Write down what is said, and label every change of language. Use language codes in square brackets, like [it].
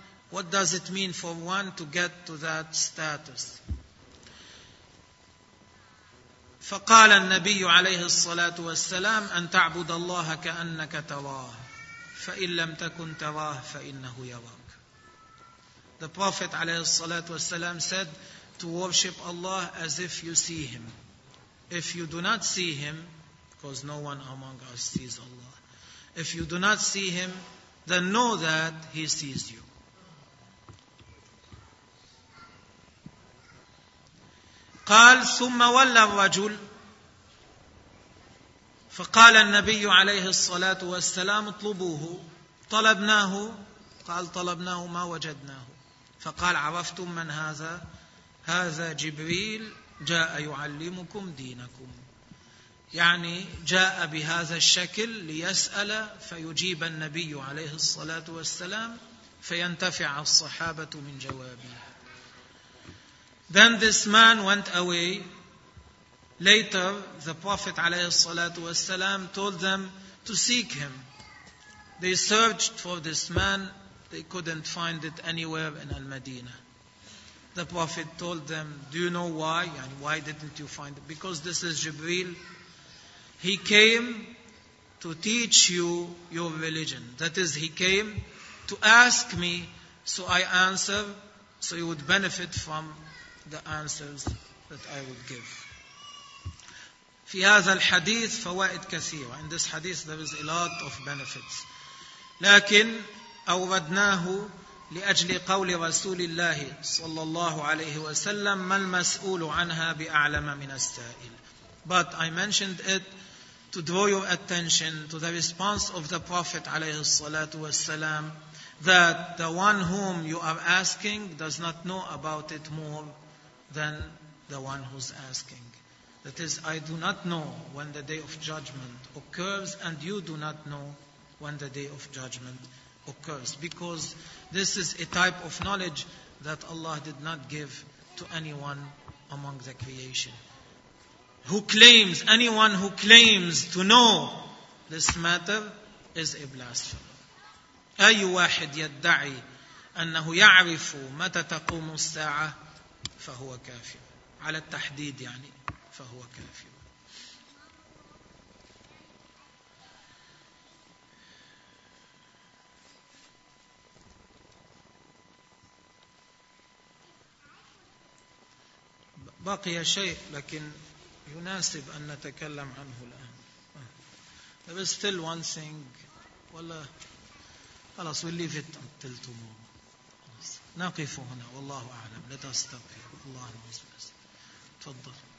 [en] What does it mean for one to get to that status? [ar] فقال النبي عليه الصلاة والسلام أن تعبد الله كأنك تراه فإن لم تكن تراه فإنه يراك. [en] The Prophet [ar] عليه الصلاة والسلام [en] said to worship Allah as if you see Him. If you do not see Him, because no one among us sees Allah, if you do not see Him, then know that He sees you. [ar] قال ثم ولى الرجل فقال النبي عليه الصلاة والسلام اطلبوه. طلبناه. قال طلبناه ما وجدناه. فقال عرفتم من هذا؟ هذا جبريل جاء يعلمكم دينكم. يعني جاء بهذا الشكل ليسأل فيجيب النبي عليه الصلاة والسلام فينتفع الصحابة من جوابه. [en] Then this man went away. Later, the Prophet والسلام, told them to seek him. They searched for this man. They couldn't find it anywhere in Al-Madina. The Prophet told them, do you know why? And why didn't you find it? Because this is Jibreel. He came to teach you your religion. That is, he came to ask me, so I answer, so you would benefit from the answers that I would give. [ar] في هذا الحديث فوائد كثيرة. [en] In this hadith there is a lot of benefits. [ar] لكن أوردناه لأجل قول رسول الله صلى الله عليه وسلم ما المسؤول عنها بأعلم من السائل. [en] But I mentioned it to draw your attention to the response of the Prophet [ar] عليه الصلاة والسلام [en] that the one whom you are asking does not know about it more than the one who's asking. That is, I do not know when the day of judgment occurs, and you do not know when the day of judgment occurs. Because this is a type of knowledge that Allah did not give to anyone among the creation. Anyone who claims to know this matter is a blasphemer. [ar] أي واحد يدعي أنه يعرف متى تقوم الساعة فهو كافر. على التحديد يعني فهو كافر. بقي شيء لكن يناسب أن نتكلم عنه الآن. [en] There is still one thing. [ar] خلاص [en] we'll leave it until tomorrow. [ar] نقف هنا والله أعلم. لا تستطيع الله المستعان. تفضل.